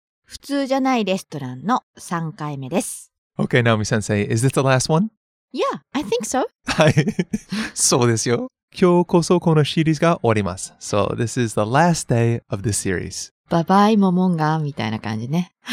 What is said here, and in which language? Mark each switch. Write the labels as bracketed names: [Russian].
[Japanese] 普通じゃないレストランの3回目です。 [English] Okay, Naomi-sensei, is this the last one? Yeah, I think so. [Japanese] はい。そうですよ。今日こそこのシリーズが終わります。 [English] So this is the last day of this series. [Japanese] バイバイ、モモンガみたいな感じね。